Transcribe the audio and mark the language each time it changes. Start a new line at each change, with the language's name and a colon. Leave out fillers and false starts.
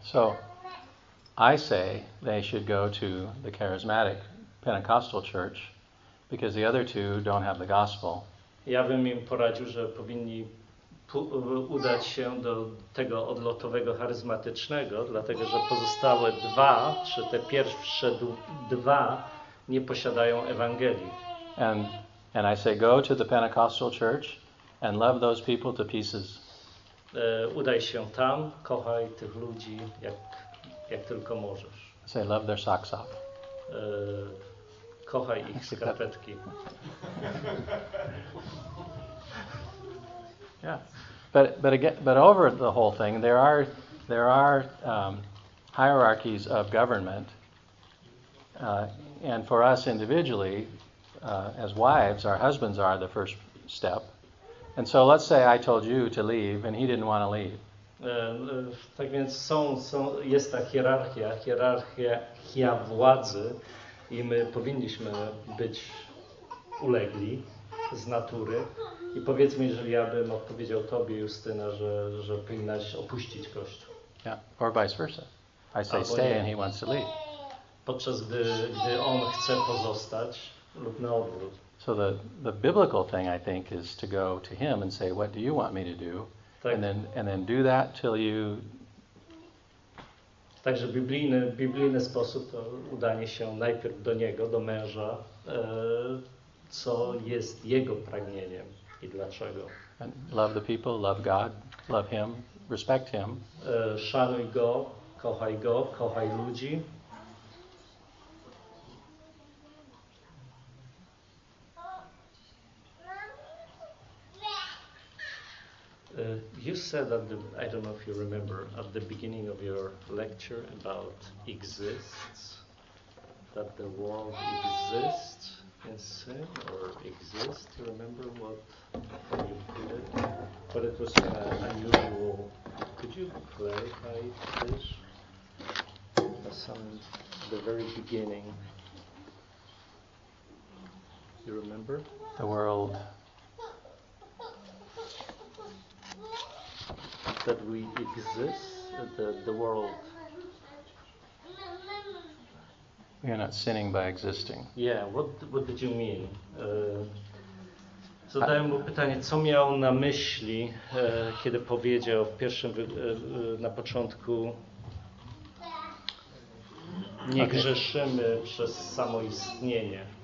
English: So I say they should go to the charismatic Pentecostal church because the other two don't have the gospel.
Polish: Ja bym im poradził, że powinni udać się do tego odlotowego charyzmatycznego, dlatego że pozostałe dwa, czy te pierwsze dwa nie posiadają Ewangelii.
English: And I say, go to the Pentecostal church and love those people to pieces.
Polish: Udaj się tam, kochaj tych ludzi jak tylko możesz.
English: I say, love their socks off.
Polish: Kochaj ich skarpetki.
English: Yeah, but over the whole thing, there are hierarchies of government, and for us individually. As wives, our husbands are the first step. And so let's say I told you to leave and he didn't want to leave.
Polish: Tak więc jest ta hierarchia władzy i my powinniśmy być ulegli z natury. I powiedzmy, jeżeli ja bym odpowiedział tobie, Justyna, że powinnaś opuścić kościół.
English: Yeah, or vice versa. I say stay and he wants to leave.
Polish: Podczas gdy on chce pozostać,
English: so the biblical thing, I think, is to go to him and say, what do you want me to do?
Polish: Tak.
English: And then do that till you...
Polish: Także biblijny sposób to udanie się najpierw do niego, do męża, co jest jego pragnieniem i dlaczego.
English: And love the people, love God, love him, respect him.
Polish: Szanuj go, kochaj ludzi.
English: You said that I don't know if you remember at the beginning of your lecture about exists, that the world exists in sin or exists. You remember what you put it? But it was unusual. Could you clarify this? The very beginning. You remember? The world. That we exist, the world We are not sinning by existing. Yeah, what did you mean?
Polish: Zadałem mu pytanie, co miał na myśli, kiedy powiedział w pierwszym, na początku, nie grzeszymy przez samoistnienie.